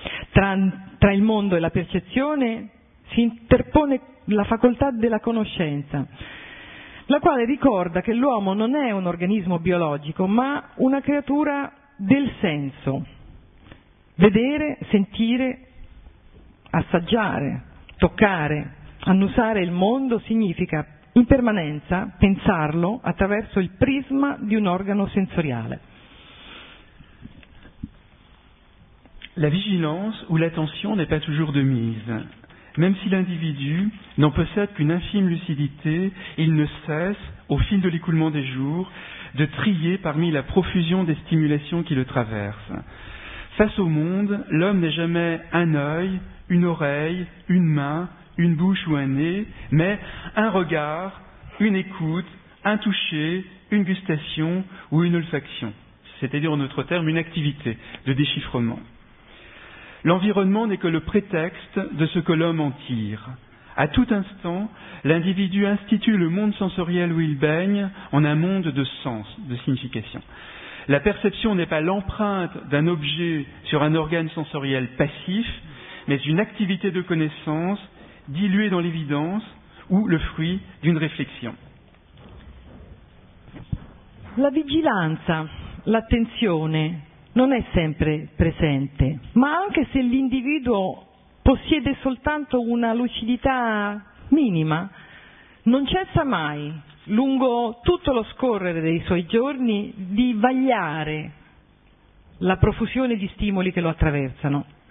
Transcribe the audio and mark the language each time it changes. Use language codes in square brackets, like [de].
[it] Tra il mondo e la percezione si interpone la facoltà della conoscenza, la quale ricorda che l'uomo non è un organismo biologico, ma una creatura del senso. Vedere, sentire, assaggiare, toccare, annusare il mondo significa in permanenza pensarlo attraverso il prisma di un organo sensoriale. [fr] La vigilance ou l'attention n'est pas toujours de mise. Même si l'individu n'en possède qu'une infime lucidité, il ne cesse, au fil de l'écoulement des jours, de trier parmi la profusion des stimulations qui le traversent. Face au monde, l'homme n'est jamais un œil, une oreille, une main, une bouche ou un nez, mais un regard, une écoute, un toucher, une gustation ou une olfaction. C'est-à-dire, en notre terme, une activité de déchiffrement. L'environnement n'est que le prétexte de ce que l'homme en tire. À tout instant, l'individu institue le monde sensoriel où il baigne en un monde de sens, de signification. La perception n'est pas l'empreinte d'un objet sur un organe sensoriel passif, mais une activité de connaissance diluée dans l'évidence ou le fruit d'une réflexion. [it] La vigilanza, l'attenzione, non è sempre presente, ma anche se l'individuo possiede soltanto una lucidità minima, non cessa mai, lungo tutto lo scorrere dei suoi giorni, di vagliare la profusione di stimoli che lo attraversano.